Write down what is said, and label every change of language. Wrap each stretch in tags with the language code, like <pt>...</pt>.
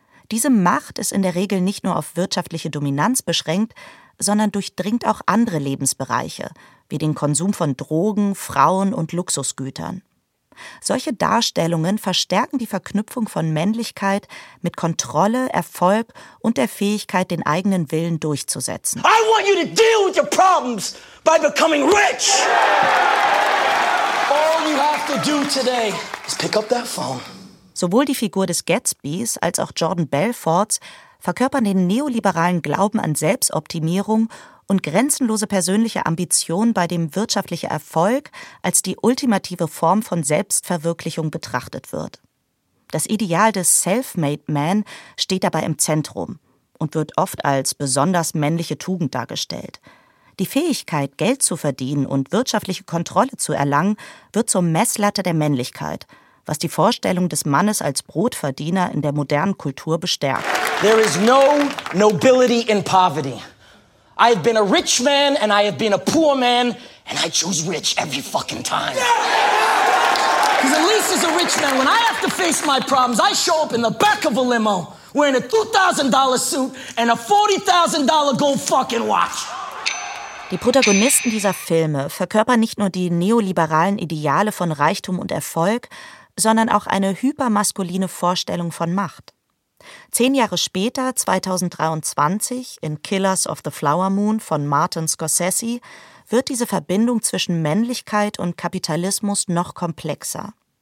<de>Diese Macht ist in der Regel nicht nur auf wirtschaftliche Dominanz beschränkt, sondern durchdringt auch andere Lebensbereiche, wie den Konsum von Drogen, Frauen und Luxusgütern. Solche Darstellungen verstärken die Verknüpfung von Männlichkeit mit Kontrolle, Erfolg und der Fähigkeit, den eigenen Willen durchzusetzen.</de> <en>I want you to deal with your problems by becoming rich. All you have to do today is pick up that phone.</en> <de>Sowohl die Figur des Gatsbys als auch Jordan Belforts verkörpern den neoliberalen Glauben an Selbstoptimierung und grenzenlose persönliche Ambition, bei dem wirtschaftlicher Erfolg als die ultimative Form von Selbstverwirklichung betrachtet wird. Das Ideal des Self-Made Man steht dabei im Zentrum und wird oft als besonders männliche Tugend dargestellt. Die Fähigkeit, Geld zu verdienen und wirtschaftliche Kontrolle zu erlangen, wird zur Messlatte der Männlichkeit, was die Vorstellung des Mannes als Brotverdiener in der modernen Kultur bestärkt.</de> <en>There is no nobility in poverty. I have been a rich man and I have been a poor man and I choose rich every fucking time. Because at least as a rich man, when I have to face my problems, I show up in the back of a limo wearing a $2,000 suit and a $40,000 gold fucking watch.</en> <de>Die Protagonisten dieser Filme verkörpern nicht nur die neoliberalen Ideale von Reichtum und Erfolg, sondern auch eine hypermaskuline Vorstellung von Macht. 10 Jahre später, 2023, in Killers of the Flower Moon von Martin Scorsese, wird diese Verbindung zwischen Männlichkeit und Kapitalismus noch komplexer.</de>